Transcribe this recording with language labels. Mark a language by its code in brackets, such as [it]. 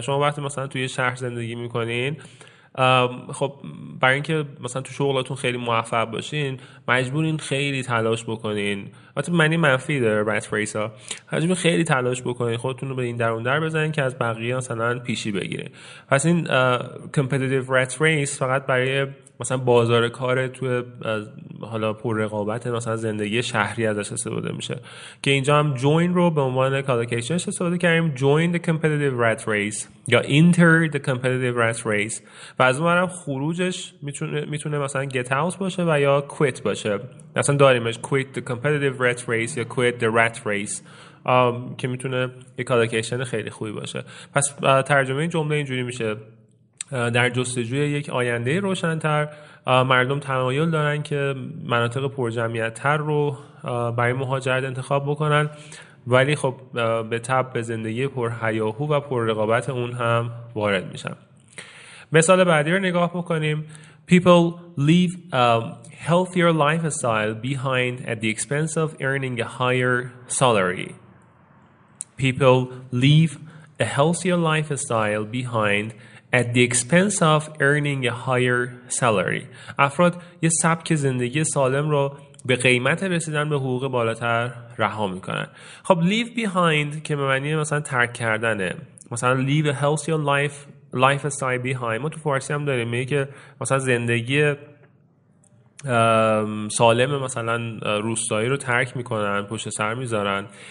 [fa] شما وقتی مثلا توی شهر زندگی میکنین، خب برای اینکه مثلا تو شغلاتون خیلی موفق باشین مجبورین خیلی تلاش بکنین، حتی معنی منفی داره rat race ها، مجبورین خیلی تلاش بکنین خودتون رو به این در اون در بزنین که از بقیه مثلا پیشی بگیرین. پس این competitive rat race فقط برای مثلا بازار کار تو حالا پر رقابت مثلا زندگی شهری ازش استفاده میشه، که اینجا هم join رو به عنوان collocation استفاده کردیم. [en] join the competitive rat race یا enter the competitive rat race. [fa] و از اونورم خروجش میتونه مثلا get out باشه و یا quit باشه. مثلا داریمش [en] quit the competitive rat race [fa] یا [en] quit the rat race [fa] که میتونه یک collocation خیلی خوبی باشه. پس ترجمه این جمله اینجوری میشه: در جستجوی یک آینده روشن‌تر، مردم تمایل دارن که مناطق پرجمعیت‌تر رو برای مهاجرت انتخاب بکنن، ولی خب به تبع به زندگی پرهیاهو و پررقابت اون هم وارد میشن. مثال بعدی رو نگاه بکنیم. [en] People leave a healthier lifestyle behind at the expense of earning a higher salary. People leave a healthier lifestyle behind at the expense of earning a higher salary. [fa] افراد یه سبک زندگی سالم رو به قیمت رسیدن به حقوق بالاتر رها میکنن. خب leave behind که به معنی مثلا ترک کردنه، مثلا [en] leave a healthier lifestyle behind، [fa] ما تو فارسی هم داریم میگه که مثلا زندگی سالم مثلا روستایی رو ترک میکنن، پشت سر میذارن.